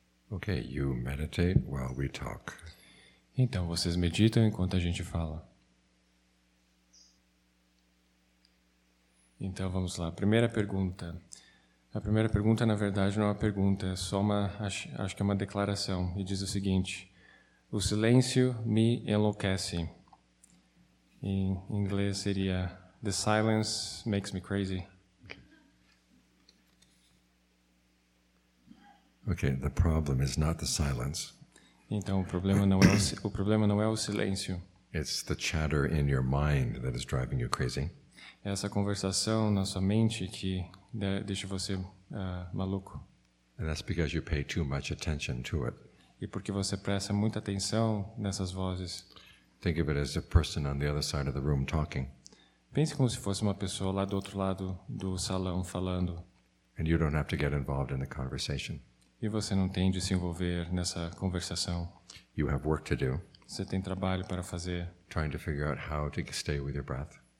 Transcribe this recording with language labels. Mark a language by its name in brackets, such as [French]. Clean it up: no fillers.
[English] Okay, you meditate while we talk. [Portuguese] Então, vocês meditam enquanto a gente fala. Então, vamos lá. Primeira pergunta. A primeira pergunta, na verdade, não é uma pergunta, é só uma, acho que é uma declaração, e diz o seguinte: o silêncio me enlouquece. Em inglês seria: [English] the silence makes me crazy. Okay, the problem is not the silence. [Portuguese] Então, o problema não é o silêncio. [English] It's the chatter in your mind that is driving you crazy. [Portuguese] Essa conversação na sua mente que deixa você maluco. [English] And that's because you pay too much attention to it. [Portuguese] E porque você presta muita atenção nessas vozes. [English] Think of it as a person on the other side of the room talking. [Portuguese] Pense como se fosse uma pessoa lá do outro lado do salão falando. [English] And you don't have to get involved in the conversation. [Portuguese] E você não tem de se envolver nessa conversação. [English] You have work to do. [Portuguese] Você tem trabalho para fazer. [English] Trying to figure out how to stay with your breath.